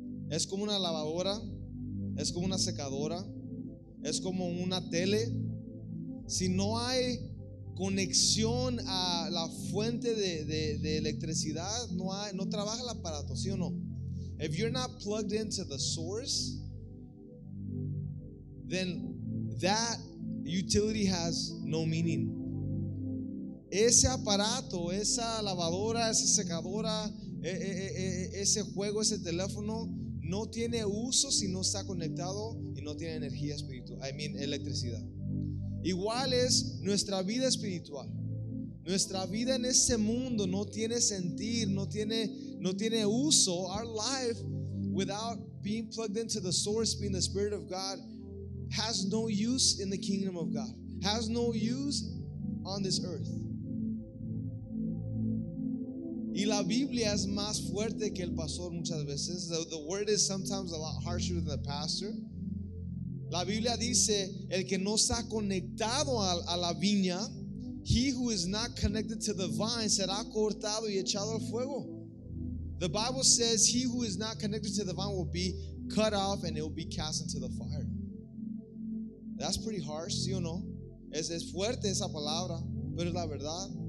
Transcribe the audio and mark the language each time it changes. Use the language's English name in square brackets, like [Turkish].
[Spanish] Es como una lavadora, es como una secadora, es como una tele. Si no hay conexión a la fuente de electricidad, no trabaja el aparato, ¿sí o no? [English] If you're not plugged into the source, then that utility has no meaning. [Spanish] Ese aparato, esa lavadora, esa secadora, ese juego, ese teléfono, no tiene uso si no está conectado y no tiene energía espiritual, electricidad. Igual es nuestra vida espiritual. Nuestra vida en este mundo no tiene sentido, no tiene uso. [English] Our life without being plugged into the source, being the Spirit of God, has no use in the kingdom of God, has no use on this earth. [Spanish] Y la Biblia es más fuerte que el pastor muchas veces. [English] The word is sometimes a lot harsher than the pastor. [Spanish] La Biblia dice, el que no está conectado a la viña, [English] he who is not connected to the vine, [Spanish] será cortado y echado al fuego. [English] The Bible says, he who is not connected to the vine will be cut off and it will be cast into the fire. That's pretty harsh, [Spanish] ¿sí o no? Es fuerte esa palabra, pero es la verdad.